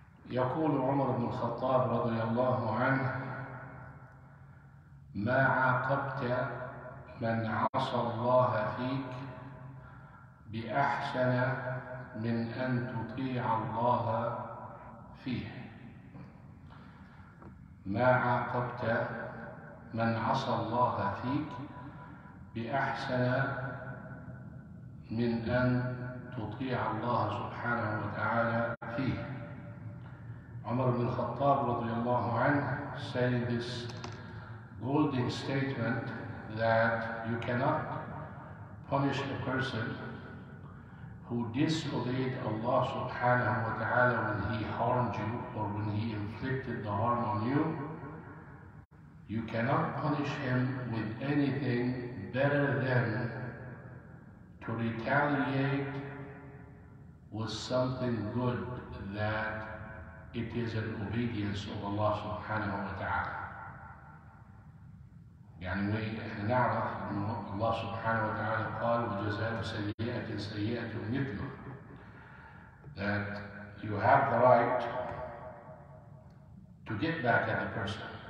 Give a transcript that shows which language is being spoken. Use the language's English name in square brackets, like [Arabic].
[Arabic] يقول عمر بن الخطاب رضي الله عنه: ما عاقبت من عصى الله فيك بأحسن من أن تطيع الله فيه. ما عاقبت من عصى الله فيك بأحسن من أن تطيع الله سبحانه وتعالى فيه. [English] عمر بن الخطاب [Arabic] رضي الله عنه [English] said this golden statement that you cannot punish a person who disobeyed Allah [Arabic] subhanahu wa ta'ala [English] when he harmed you or when he inflicted the harm on you. You cannot punish him with anything better than to retaliate with something good, that it is an obedience of Allah [Arabic] subhanahu wa ta'ala. يعني احنا نعرف ان الله سبحانه وتعالى قال: وجزاء سيئة سيئة مثله. [English] That you have the right to get back at the person.